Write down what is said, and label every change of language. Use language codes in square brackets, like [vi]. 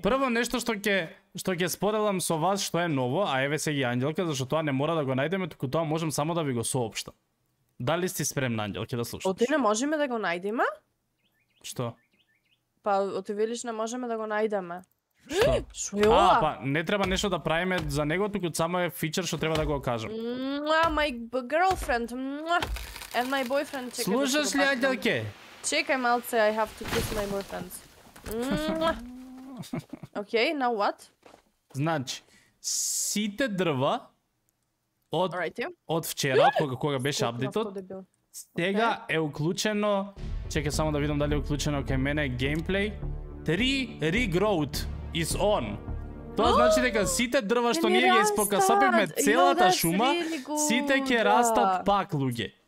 [mk] Прво нешто што ќе споделам со вас што е ново, а еве се ги Анđелка, зашто тоа не мора да го најдеме, туку тоа можам само да ви го соопштам. Дали сте спремна, Анđелка, да слушаш? Оти не можеме да го најдеме? Што? Па, оти велиш не можеме да го најдеме. Што? А, па, не треба нешто да правиме за него, туку само е фичер што треба да го кажам. [en] My girlfriend, and my boyfriend, [mk] чекай. Служаш ли, Анđелке? Чекай малце, [en] I have to kiss my boyfriend. Окей, now what? [mk] Значи, сите дрва од вчера, кога беше апдейтот, сега е уклучено... Чекај само да видам дали е уклучено кај мене геймплей. [en] 3 regrowth is on. [mk] Тоа значи дека сите дрва што ние ги спокасапивме целата шума, сите ќе растат пак, луѓе.